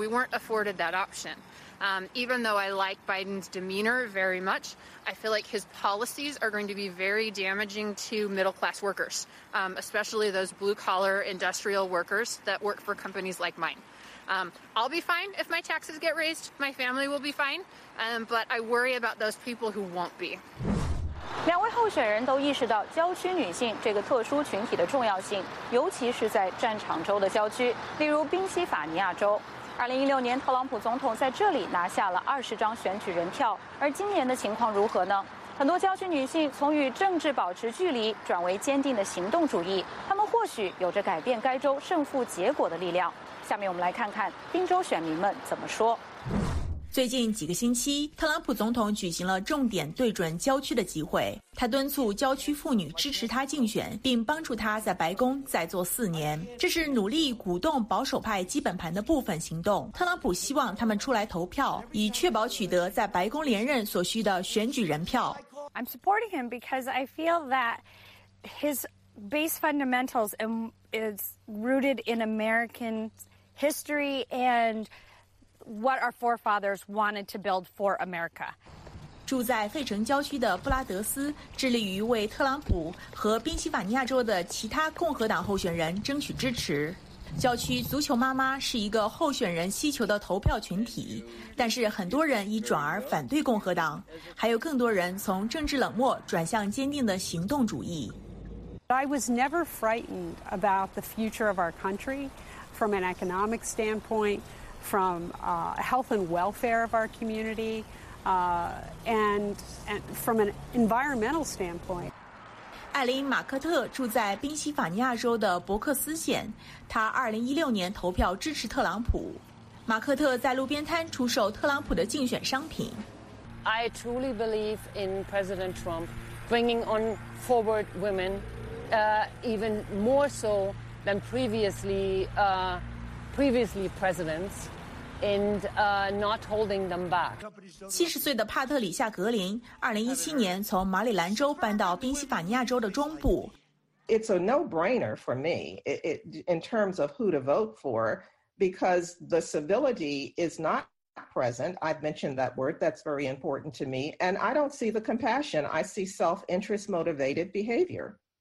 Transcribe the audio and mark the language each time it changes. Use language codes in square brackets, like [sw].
[en] We weren't afforded that option. Even though I like Biden's demeanor very much, I feel like his policies are going to be very damaging to middle-class workers, especially those blue-collar industrial workers that work for companies like mine. I'll be fine if my taxes get raised. My family will be fine. But I worry about those people who won't be. [zh] 两位候选人都意识到郊区女性这个特殊群体的重要性，尤其是在战场州的郊区，例如宾夕法尼亚州。 2016年，特朗普总统在这里拿下了20张选举人票，而今年的情况如何呢？很多郊区女性从与政治保持距离转为坚定的行动主义，她们或许有着改变该州胜负结果的力量。下面我们来看看宾州选民们怎么说。最近几个星期，特朗普总统举行了重点对准郊区的集会，他敦促郊区妇女支持他竞选，并帮助他在白宫再做4年。这是努力鼓动保守派基本盘的部分行动。特朗普希望他们出来投票，以确保取得在白宫连任所需的选举人票。 [en] I'm supporting him because I feel that his base fundamentals is rooted in American history and what our forefathers wanted to build for America. [zh] 住在费城郊区的布拉德斯致力于为特朗普和宾夕法尼亚州的其他共和党候选人争取支持。郊区足球妈妈是一个候选人需求的投票群体，但是很多人已转而反对共和党，还有更多人从政治冷漠转向坚定的行动主义。 [en] I was never frightened about the future of our country from an economic standpoint. From health and welfare of our community, and from an environmental standpoint. [zh] 艾琳·马克特住在宾夕法尼亚州的伯克斯县，她2016年投票支持特朗普。马克特在路边摊出售特朗普的竞选商品。 [en] I truly believe in President Trump bringing on forward women even more so than previously presidents. And not holding them back. [zh] 70岁的帕特里夏·格林2017年从马里兰州搬到宾夕法尼亚州的中部。 [en] It's a no-brainer for me in terms of who to vote for because the civility is not present. I've mentioned that word. That's very important to me. And I don't see the compassion. I see self-interest motivated behavior.